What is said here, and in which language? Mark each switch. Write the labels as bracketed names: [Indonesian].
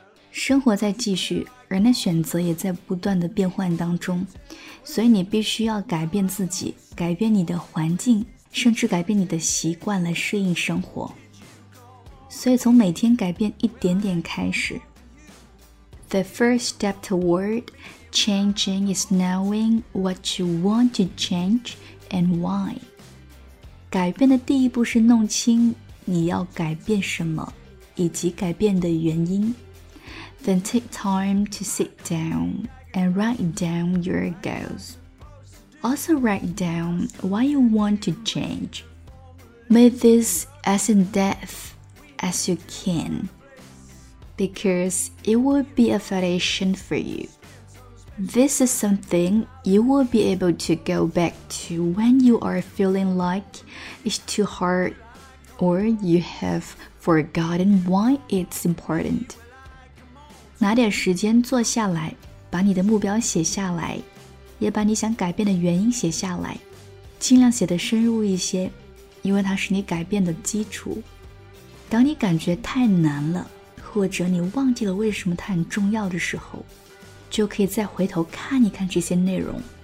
[Chinese] 生活在继续，人的选择也在不断的变换当中，所以你必须要改变自己，改变你的环境，甚至改变你的习惯来适应生活。所以从每天改变一点点开始。 [English] The first step toward changing is knowing what you want to change and why. [Chinese] 改变的第一步是弄清你要改变什么，以及改变的原因。 [English] Then take time to sit down and write down your goals. Also write down why you want to change. Make this as in-depth as you can, because it will be a foundation for you. This is something you will be able to go back to when you are feeling like it's too hard or you have forgotten why it's important. [Chinese] 拿点时间坐下来，把你的目标写下来，也把你想改变的原因写下来，尽量写得深入一些，因为它是你改变的基础。当你感觉太难了，或者你忘记了为什么它很重要的时候，就可以再回头看一看这些内容。